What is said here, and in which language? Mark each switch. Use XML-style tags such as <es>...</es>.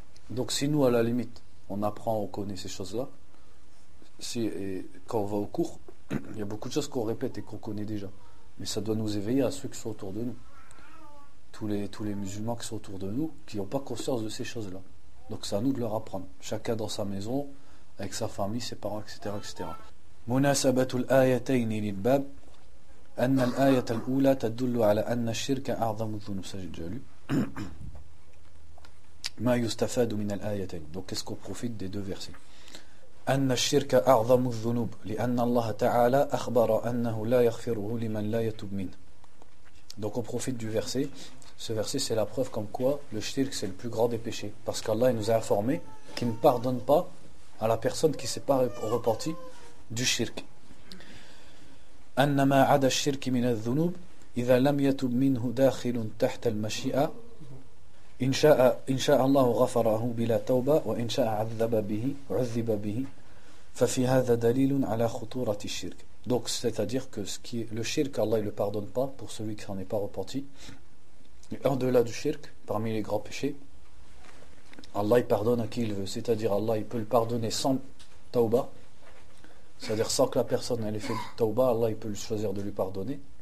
<fr>Donc si nous, à la limite, on apprend, on connaît ces choses-là, si, et quand on va au cours, il y a beaucoup de choses qu'on répète et qu'on connaît déjà. Mais ça doit nous éveiller à ceux qui sont autour de nous. Tous les musulmans qui sont autour de nous, qui n'ont pas conscience de ces choses-là. Donc c'est à nous de leur apprendre. Chacun dans sa maison, avec sa famille, ses parents, etc.</fr> <ar>etc. Munasabatul ayatayn lilbab. أن الآية الأولى تدل على أن الشرك أعظم الذنوب سجد جالو ما يستفاد من الآيتين</ar> <fr>donc qu'est-ce qu'on profite des deux versets</fr> <ar>أن الشرك أعظم الذنوب لأن الله تعالى أخبر أنه لا يغفره لمن لا يتوب منه</ar> <fr>donc on profite du verset. Ce verset, c'est la preuve comme quoi le shirk, c'est le plus grand des péchés, parce qu'Allah nous a informé qu'il ne pardonne pas à la personne qui s'est pas repenti du shirk.</fr> <ar>أنما عدا الشرك من الذنوب إذا لم يتب منه داخل تحت المشيئة إن شاء الله غفره بلا توبة وإن شاء عذب به ففي هذا دليل على خطورة الشرك.</ar> <fr>Donc c'est-à-dire que le shirk, Allah ne le pardonne pas pour celui qui n'en est pas repenti. Au-delà du shirk, parmi les grands péchés, Allah il pardonne à qui il veut. C'est-à-dire Allah il peut le pardonner sans tauba. C'est-à-dire sans que la personne ait fait tawbah, Allah il peut choisir de lui pardonner.</fr>